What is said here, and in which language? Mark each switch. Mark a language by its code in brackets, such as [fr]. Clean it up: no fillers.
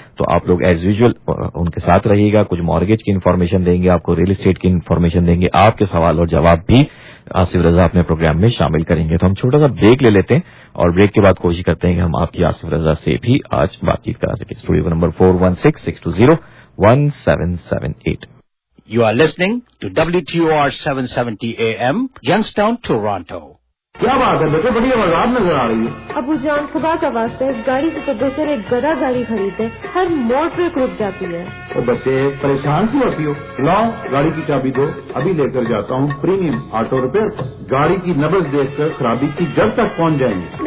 [hi] तो आप लोग एज यूजुअल उनके साथ रहिएगा, कुछ मॉर्गेज की इन्फॉर्मेशन देंगे आपको, रियल एस्टेट की इन्फॉर्मेशन देंगे, आपके सवाल और जवाब भी आसिफ रजा अपने प्रोग्राम में शामिल करेंगे। तो हम छोटा सा ब्रेक ले लेते हैं और ब्रेक के बाद कोशिश करते हैं कि हम आपकी आसिफ रजा से भी आज बातचीत करा सके। Studio number 416-620-1778। [en] You are listening to WTOR 770 AM, Youngstown, Toronto. [hi] क्या बात है बेटे, बड़ी आवाज नजर आ रही है। अबू जान खुदा का वास्ते, इस गाड़ी से तो बेहतर एक गधा गाड़ी खरीदे, हर मोड़ पे रुक जाती है। तो बच्चे परेशान क्यों होती हो, लाओ गाड़ी की चाबी दो, अभी लेकर जाता हूँ प्रीमियम ऑटो रिपेयर। गाड़ी की नब्ज देखकर खराबी की जब तक पहुँच जाएंगे।